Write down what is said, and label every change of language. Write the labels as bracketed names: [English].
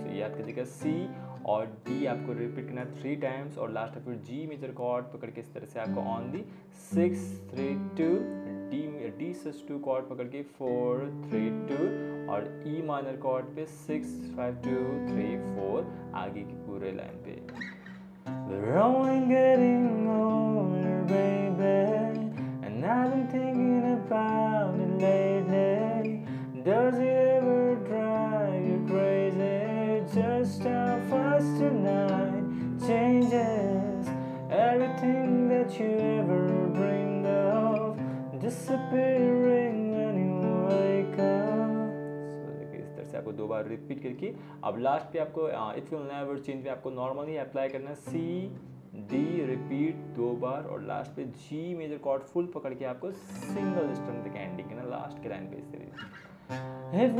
[Hindi] सो याद कीजिएगा सी और डी आपको रिपीट करना है 3 times और लास्ट फिर जी मेजर कॉर्ड पकड़ के इस तरह से आपको on the 6 3 2 D D sauce to cord पकड़ के 4-3-2 और ई माइनर कॉर्ड पे 6-5-2-3-4 आगे की पूरे लाइन पे. [English] Rolling, getting older, baby, and I've been thinking about it lately. Does it ever drive you crazy? Just how fast your night changes. Everything that you ever dreamed of disappearing when you wake up. [Hindi] आपको दो बार repeat करके अब last पे आपको [English] if you never change [Hindi] में आपको normally apply करना है सी डी रिपीट दो बार और लास्ट पे जी मेजर कॉर्ड फुल पकड़ के आपको सिंगल स्ट्रम तक एंडिंग करना लास्ट के लाइन पे. [English] if